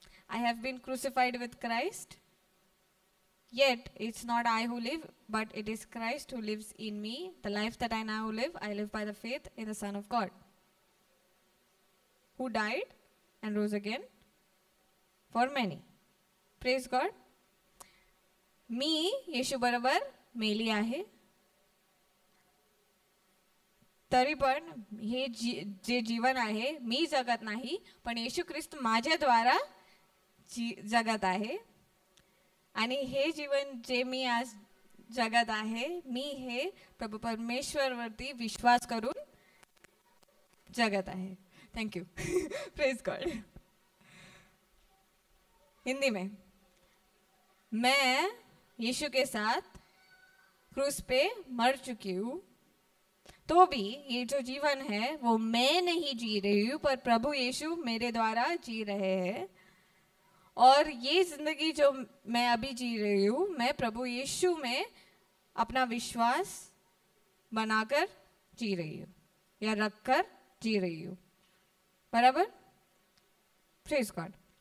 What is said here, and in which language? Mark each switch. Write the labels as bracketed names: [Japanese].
[English] I have been crucified with Christ, yet it's not I who live but it is Christ who lives in me, the life that I now live I live by the faith in the Son of God who died and rose again for many, praise God. [Marathi] मी येशू बरोबर मेली आहे, तरी पण हे जे जीवन आहे मी जगत नाही, पण येशू ख्रिस्त माझ्याद्वारा जगत आहे, आणि हे जीवन जे मी आज जगत आहे, मी हे प्रभु परमेश्वरवरती विश्वास करून जगत आहे। [English] Thank you, praise God. [Hindi] Hindi में, मैं यीशु के साथ क्रूस पे मर चुकी हूँ, तो भी ये जो जीवन है वो मैं नहीं जी रही हूँ, पर प्रभु यीशु मेरे द्वारा जी रहे हैं, और ये जिंदगी जो मैं अभी जी रही हूँ, मैं प्रभु यीशु में अपना विश्वास बनाकर जी रही हूँ या रखकर जी रही हूँ, बराबर, [English] Praise God.